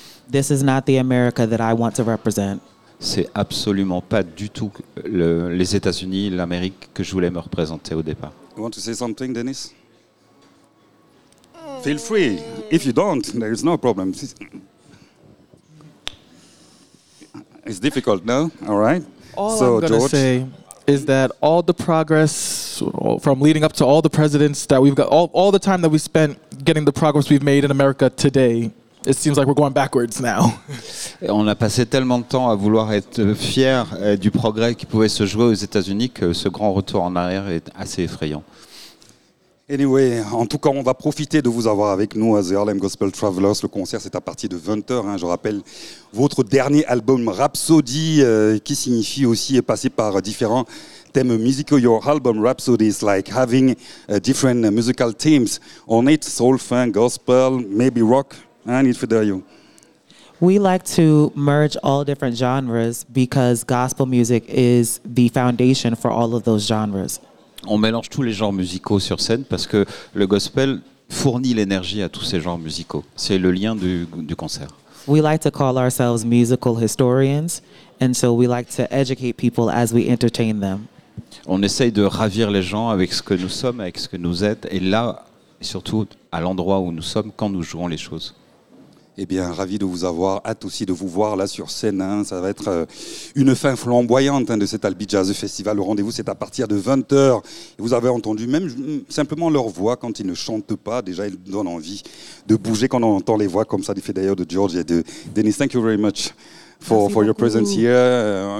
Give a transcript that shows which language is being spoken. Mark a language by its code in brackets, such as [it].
[en] This is not the America that I want to represent. C'est absolument pas du tout les États-Unis, l'Amérique que je voulais me représenter au départ. You want to say something, Dennis? Feel free. If you don't, there is no problem. It's difficult, no? All right. All I'm going to say is that all the progress from leading up to all the presidents that we've got, all the time that we spent getting the progress we've made in America today. It seems like we're going backwards now. [fr] On a passé tellement de temps à vouloir être fier du progrès qui pouvait se jouer aux États-Unis que ce grand retour en arrière est assez effrayant. [en] Anyway, [fr] en tout cas, on va profiter de vous avoir avec nous à The Harlem Gospel Travelers. Le concert, c'est à partir de 20h. Hein. Je rappelle votre dernier album, Rhapsody, qui signifie aussi passer par différents thèmes musicaux. [en] Your album, Rhapsody, is like having different musical themes on it, soul, funk, gospel, maybe rock. I need Ifedayo. We like to merge all different genres because gospel music is the foundation for all of those genres. [fr] On mélange tous les genres musicaux sur scène parce que le gospel fournit l'énergie à tous ces genres musicaux. C'est le lien du concert. [en] We like to call ourselves musical historians, and so we like to educate people as we entertain them. [fr] On essaye de ravir les gens avec ce que nous sommes, avec ce que nous êtes, et là, surtout à l'endroit où nous sommes, quand nous jouons les choses. Eh bien, ravi de vous avoir, hâte aussi de vous voir là sur scène. Hein. Ça va être une fin flamboyante hein, de cet Albi Jazz Festival. Le rendez-vous, c'est à partir de 20h. Vous avez entendu même simplement leur voix quand ils ne chantent pas. Déjà, ils donnent envie de bouger quand on entend les voix comme ça, d'ailleurs, de George et de Dennis. [en] Thank you very much for your presence here.